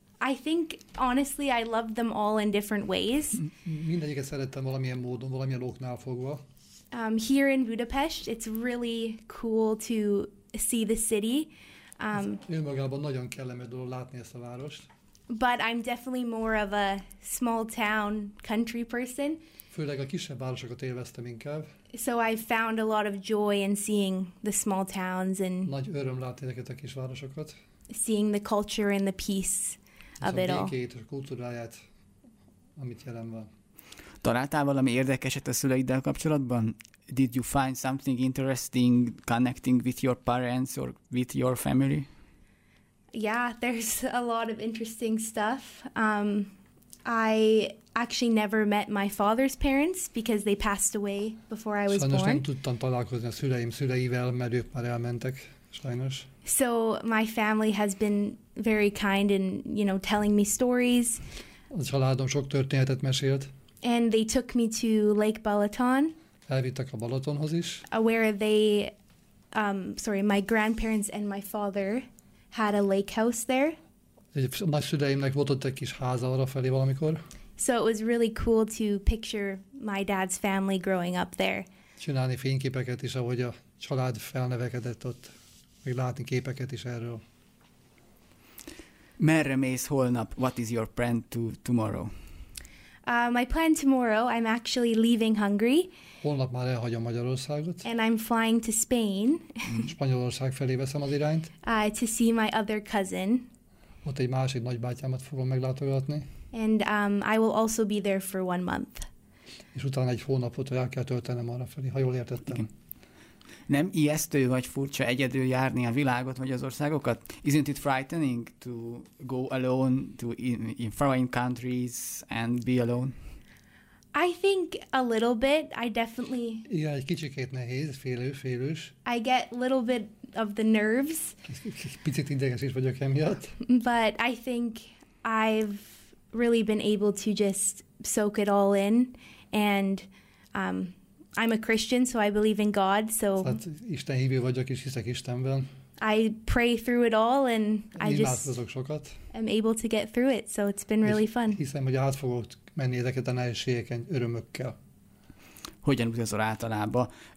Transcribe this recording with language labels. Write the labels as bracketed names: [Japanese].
[English] I think, honestly, I loved them all in different ways. [Hungarian] Mindegyiket szerettem valamilyen módon, valamilyen oknál fogva. [English] Here in Budapest, it's really cool to see the city. [Hungarian] Önmagában nagyon kellemes dolog látni ezt a várost. [English] But I'm definitely more of a small town country person. [Hungarian] Főleg a kisebb városokat élveztem inkább. [English] So I found a lot of joy in seeing the small towns and [Hungarian] nagy öröm látni ezeket a kisvárosokat. [English] Seeing the culture and the peace of it all. [Hungarian] A békét, a kultúráját, amit jelen van. Találtál valami érdekeset a szüleiddel kapcsolatban? [English] Did you find something interesting connecting with your parents or with your family? Yeah, there's a lot of interesting stuff. I actually never met my father's parents because they passed away before I was [Hungarian] sajnos [English] born. [Hungarian] Sajnos nem tudtam találkozni a szüleim szüleivel, mert ők már elmentek, sajnos. [English] So my family has been very kind in, you know, telling me stories. [Hungarian] A családom sok történetet mesélt. [English] And they took me to Lake Balaton. [Hungarian] Elvittek a Balatonhoz is. [English] Where they, my grandparents and my father had a lake house there. [Hungarian] Nagyszüleimnek volt ott egy kis háza arrafelé valamikor. [English] So it was really cool to picture my dad's family growing up there. [Hungarian] Csinálni fényképeket is, ahogy a család felnevekedett ott, még látni képeket is erről. Merre mész holnap? [English] What is your plan to tomorrow? My plan tomorrow, I'm actually leaving Hungary. [Hungarian] Holnap már elhagyom Magyarországot. [English] And I'm flying to Spain. [Hungarian] Spanyolország felé veszem az irányt. [English] To see my other cousin. [Hungarian] Ott egy másik nagybátyámat fogom meglátogatni. [English] And I will also be there for 1 month. [Hungarian] És utána egy hónapot el kell töltenem arra felé, ha jól értettem. Igen. Nem ijesztő vagy furcsa egyedül járni a világot vagy az országokat? [English] Isn't it frightening to go alone to in foreign countries and be alone? I think a little bit. I definitely... [Hungarian] Igen, egy kicsikét nehéz, félős. [English] I get a little bit of the nerves. [Hungarian] Picit ideges is vagyok emiatt. [English] But I think I've really been able to just soak it all in and... I'm a Christian, so I believe in God, so... [Hungarian] Hát Isten hívő vagyok, és hiszek Istenben. [English] I pray through it all, and I'm able to get through it, so it's been really fun. [Hungarian] Hiszem, hogy át fogok menni ezeket a nehézségeken örömökkel. Hogyan utazol általában?